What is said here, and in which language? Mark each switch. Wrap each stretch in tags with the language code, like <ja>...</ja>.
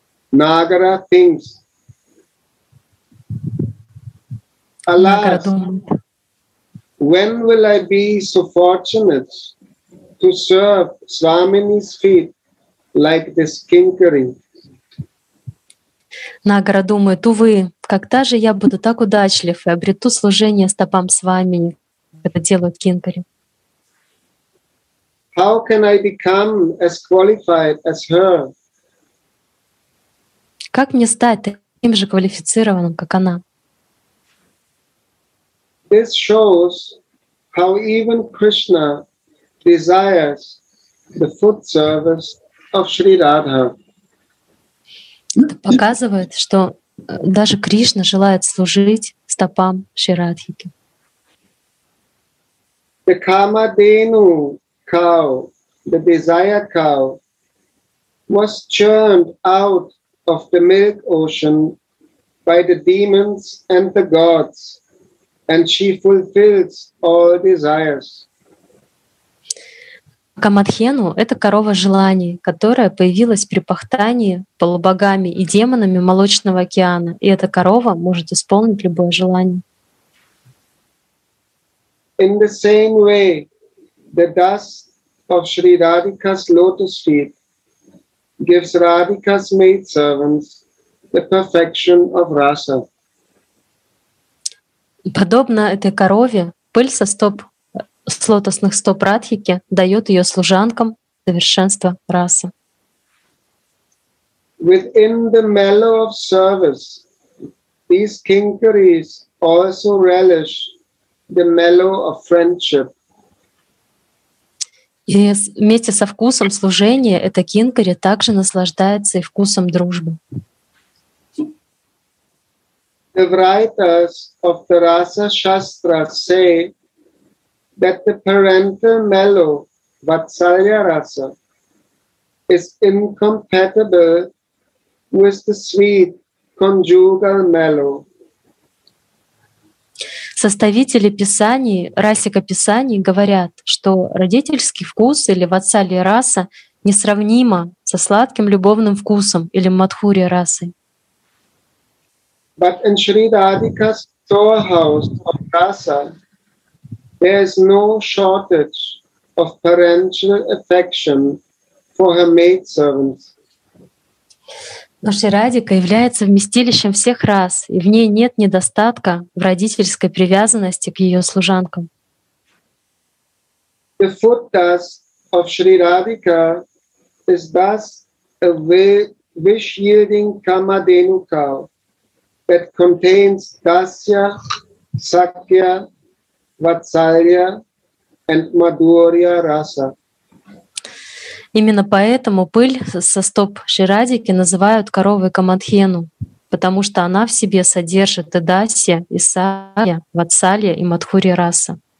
<en>Нагара thinks, «Alas, when will I be so fortunate to serve Swamini's feet like this kinkari?»</en> <ru>Нагара думает, «Увы, когда же я буду так удачлив и обрету служение стопам Свамини?» Это делают кинкари.</ru> <en>How can I become as qualified as her?</en> <ru>Как мне стать таким же квалифицированным, как она?</ru> <en>This shows how even Krishna desires the foot service of Shri Radha.</en> <ru>Это показывает, что даже Кришна желает служить стопам Шри Радхики.</ru> <en>The Kamadenu cow, the desire cow, was churned out of the milk ocean by the demons and the gods, and she fulfills all desires.</en> <ru>Камадхену — это корова желаний, которая появилась при пахтании полубогами и демонами молочного океана, и эта корова может исполнить любое желание.</ru> <en>In the same way, the dust of Sri Radhika's lotus feet gives Radhika's maidservants the perfection of rasa.</en> <ru>Подобно этой корове, пыль со стоп с лотосных стоп Радхики дает ее служанкам совершенство расы.</ru> <en>Within the mellow of service, these kinkaris also relish the mellow of friendship.</en> <ru>И вместе со вкусом служения эта кинкари также наслаждается и вкусом дружбы.</ru> <en>The writers of the Rasa Shastra say that the parental mellow, Vatsalya Rasa, is incompatible with the sweet conjugal mellow.</en> <ru>Составители писаний, расика писаний, говорят, что родительский вкус или ватсалья раса несравнима со сладким любовным вкусом или мадхурья расой.</ru> <en>But in Shri Radhika's storehouse of rasa, there is no shortage of parental affection for her maidservants.</en> <ru>Но Шри Радика является вместилищем всех рас, и в ней нет недостатка в родительской привязанности к ее служанкам.</ru> <en>The footas of Shri Radhika is thus a wish-yielding Kamadenu cow that contains Dasya, Sakya, Vatsalya and Madhurya rasa.</en> <ru>Именно поэтому пыль со стоп Шри Радхики называют коровой Камадхену, потому что она в себе содержит и дасья, и сая, ватсалья, и мадхурья раса.</ru>